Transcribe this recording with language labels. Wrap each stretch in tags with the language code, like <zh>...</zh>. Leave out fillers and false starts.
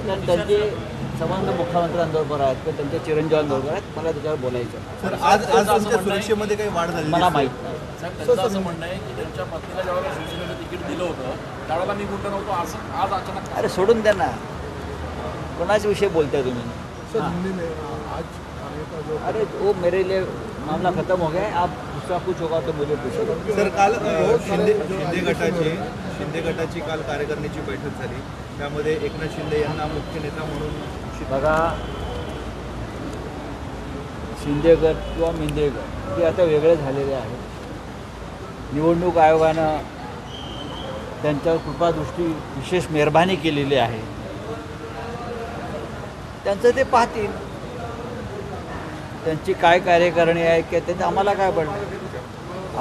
<mr>कारण त्यांचे संबंध मुख्यमंत्र्यांबरोबर आहेत किंवा त्यांच्या चिरंजीवांबरोबर आहेत, मला त्याच्यावर बोलायचं। आज आज त्यांच्या सुरक्षेमध्ये काही वाढ झाली मला माहीत नाही। सर त्यांचं असं म्हणणं आहे की त्यांच्या पत्नीला जेव्हा शिवसेनेनं तिकीट दिलं होतं त्यावेळेला मी गुंड नव्हतो, असं आज अचानक? अरे सोडून द्या ना, कोणाच्या विषयी बोलताय तुम्ही?</mr> <hi>अरे ओ मेरे लिए मामला खतम हो गया, आप दूसरा कुछ होगा तो मुझे पूछो।</hi> <mr>सर काल शिंदे गटाची काल कार्यकारिणीची बैठक झाली, त्यामध्ये एकनाथ शिंदे यांना मुख्य नेता म्हणून बघा। शिंदे गट किंवा मिंदे गट हे आता वेगळे झालेले आहेत, निवडणूक आयोगानं त्यांच्यावर कृपादृष्टी विशेष मेहरबानी केलेली आहे, त्यांचं ते पाहतील त्यांची काय कार्यकारिणी आहे की त्यांचं, आम्हाला काय पडणार?</mr>